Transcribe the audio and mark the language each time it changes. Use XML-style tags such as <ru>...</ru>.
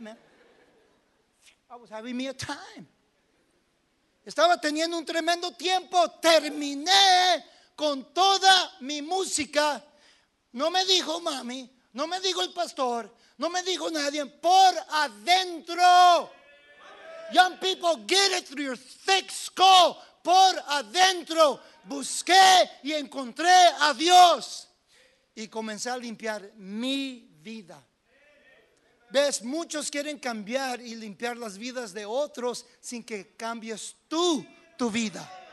<en>Man. I was having me a time.</en> <es>Estaba teniendo un tremendo tiempo. Terminé con toda mi música. No me dijo mami, no me dijo el pastor, no me dijo nadie, por adentro.</es> <en>Young people, get it through your thick skull.</en> <es>Por adentro, busqué y encontré a Dios. Y comencé a limpiar mi vida. Ves, muchos quieren cambiar y limpiar las vidas de otros sin que cambies tú tu vida.</es>